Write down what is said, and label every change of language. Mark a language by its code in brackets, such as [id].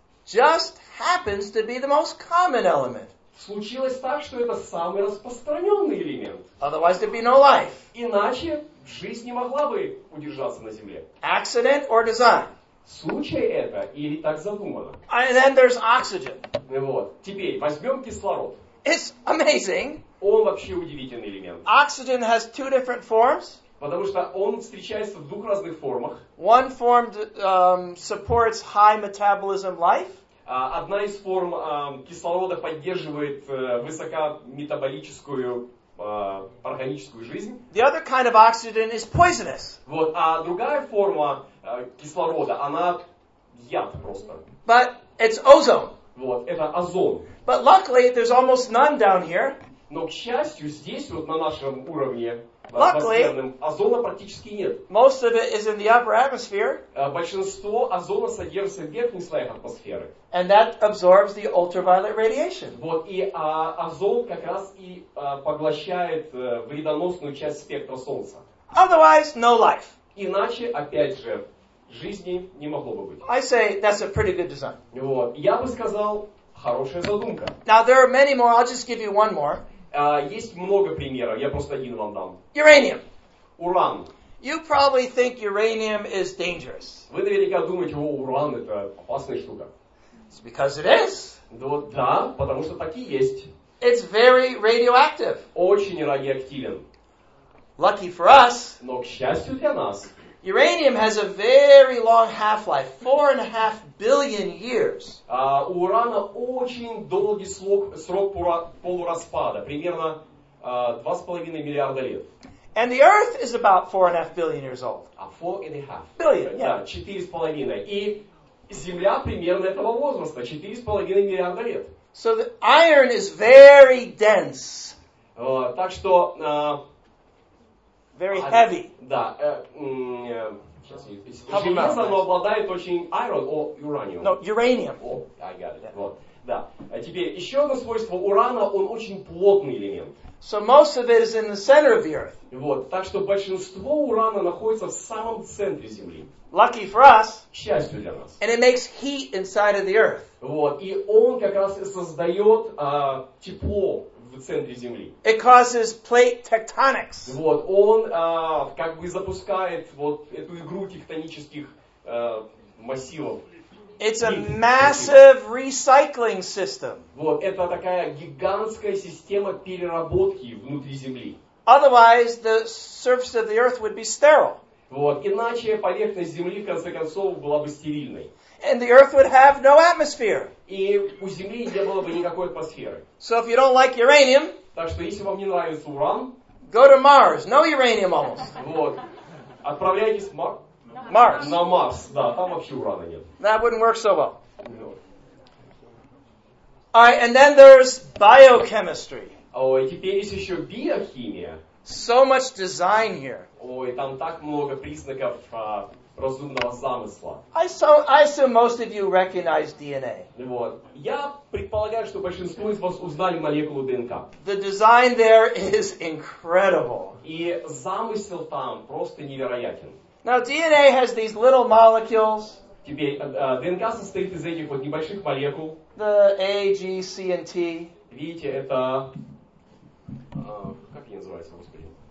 [en] just happens to be the most common element. [ru] Случилось так, что это самый распространенный элемент. [en] Otherwise there'd be no life. [ru] Иначе жизнь не могла бы удержаться на Земле. [en] Accident or design? [ru] Случай это или так задумано? [en] And then there's oxygen. [ru] И вот, теперь возьмем кислород. [en] It's amazing. [ru] Он вообще удивительный элемент. [en] Oxygen has two different forms. [ru] Потому что он встречается в двух разных формах. [en] One form supports high metabolism life. [ru] Одна из форм кислорода поддерживает высокометаболическую органическую жизнь. [en] The other kind of oxygen is poisonous. [ru] Вот, а другая форма кислорода, она яд просто. [en] But it's ozone. [ru] Вот, это озон. [en] But luckily, there's almost none down here. [ru] Но, к счастью, здесь вот на нашем уровне, [en] luckily, [ru] озона практически нет. [en] Most of it is in the upper atmosphere. [ru] Большинство озона содержится в верхних слоях атмосферы. [en] And that absorbs the ultraviolet radiation. [ru] Вот, и озон как раз и поглощает вредоносную часть спектра Солнца. [en] Otherwise, no life. [ru] Иначе, опять же, жизни не могло бы быть. [en] I say, that's a pretty good design. [ru] Вот, я бы сказал, хорошая задумка. [en] Now, there are many more. I'll just give you one more. [ru] Есть много примеров, я просто один вам дам. [en] Uranium. [ru] Уран. [en] You probably think uranium is dangerous. [ru] Вы наверняка думаете, о, уран это опасная штука. [en] It's because it is. [ru] Да, потому что так и есть. [en] It's very radioactive. [ru] Очень радиоактивен. [en] Lucky for us. [ru] Но к счастью для нас. [en] Uranium has a very long half-life, 4.5 billion years. [ru] У урана очень долгий срок полураспада, примерно 2.5 миллиарда лет. [en] And the Earth is about 4.5 billion years old. [ru] А 4.5 [en] billion, yeah. [ru] Да, 4.5. И Земля примерно этого возраста, 4.5 миллиарда лет. [en] So the iron is very dense. [ru] Так что [en] very heavy. [ru] Да. Сейчас. Железо, оно обладает очень [en] iron, or uranium. No, uranium. Oh, I got it. Yeah. [ru] Вот, да. Теперь еще одно свойство урана, он очень плотный элемент. [en] So most of it is in the center of the earth. [ru] Вот, так что большинство урана находится в самом центре Земли. [en] Lucky for us. [ru] К счастью для нас. [en] And it makes heat inside of the earth. [ru] Вот, и он как раз и создает тепло. В центре Земли. [en] It causes plate tectonics. [ru] Вот, он как бы запускает вот эту игру тектонических массивов. [en] It's a massive recycling system. [ru] Вот, это такая гигантская система переработки внутри Земли. [en] Otherwise, the surface of the Earth would be sterile. [ru] Вот, иначе поверхность Земли, в конце концов, была бы стерильной. [en] And the Earth would have no atmosphere. [ru] И у Земли не было бы никакой атмосферы. [en] So if you don't like uranium, [ru] так что если вам не нравится уран, [en] go to Mars. No uranium almost. [ru] Вот. Отправляйтесь в [en] Mars. [ru] На Марс. Да, там вообще урана нет. [en] That wouldn't work so well. No. Alright, and then there's biochemistry. [ru] Ой, теперь есть еще биохимия. [en] So much design here. [ru] Ой, там так много признаков разумного замысла. [en] I assume most of you recognize DNA. [ru] Вот. Я предполагаю, что большинство из вас узнали молекулу ДНК. [en] The design there is incredible. [ru] И замысел там просто невероятен. [en] Now DNA has these little molecules. [ru] Теперь ДНК состоит из этих вот небольших молекул. [en] The A, G, C, and T. [ru] Видите, это... как они называются, господи?